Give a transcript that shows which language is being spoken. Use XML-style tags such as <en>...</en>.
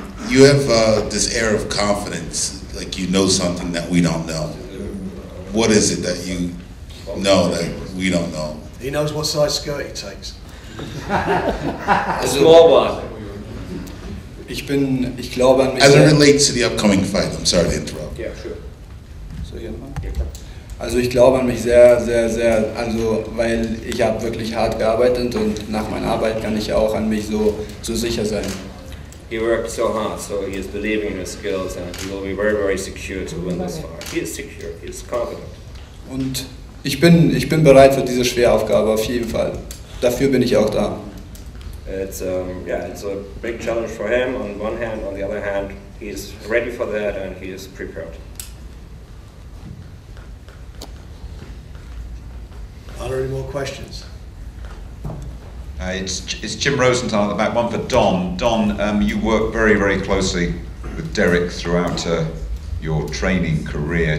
<en>You have this air of confidence, like you know something that we don't know. What is it that you know that we don't know? He knows what size skirt he takes. A small one.</en> <de>Ich glaube an mich.</de> <en>As it relates to the upcoming fight, I'm sorry to interrupt. Yeah, sure.</en> <de>So, hier nochmal? Also ich glaube an mich sehr, sehr, sehr, also weil ich habe wirklich hart gearbeitet und nach meiner Arbeit kann ich auch an mich so sicher sein.</de> <en>He worked so hard, so he is believing in his skills and he will be very, very secure to win this fight. He is secure, he is confident.</en> <de>Und ich bin bereit für diese schwere Aufgabe, auf jeden Fall. Dafür bin ich auch da.</de> <en>It's it's a big challenge for him on one hand, on the other hand, he is ready for that and he is prepared. Are there any more questions? It's Jim Rosenthal at the back, one for Don. Don, you work very, very closely with Derek throughout your training career.</en>